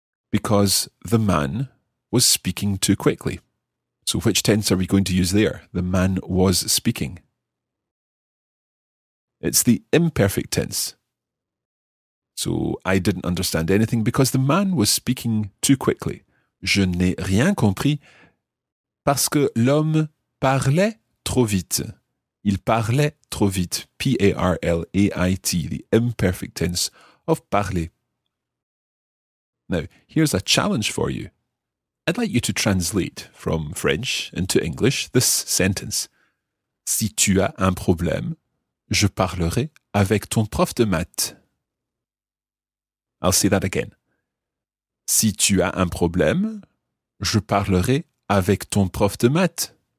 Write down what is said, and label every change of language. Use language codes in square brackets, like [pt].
[en] Because the man was speaking too quickly. So which tense are we going to use there? The man was speaking. It's the imperfect tense. So, I didn't understand anything because the man was speaking too quickly. [fr] Je n'ai rien compris parce que l'homme parlait trop vite. Il parlait trop vite. P-A-R-L-A-I-T. [en] The imperfect tense of parler. Now, here's a challenge for you. I'd like you to translate from French into English this sentence. [fr] Si tu as un problème, je parlerai avec ton prof de maths. [en] I'll say that again. [fr] Si tu as un problème, je parlerai avec ton prof de maths.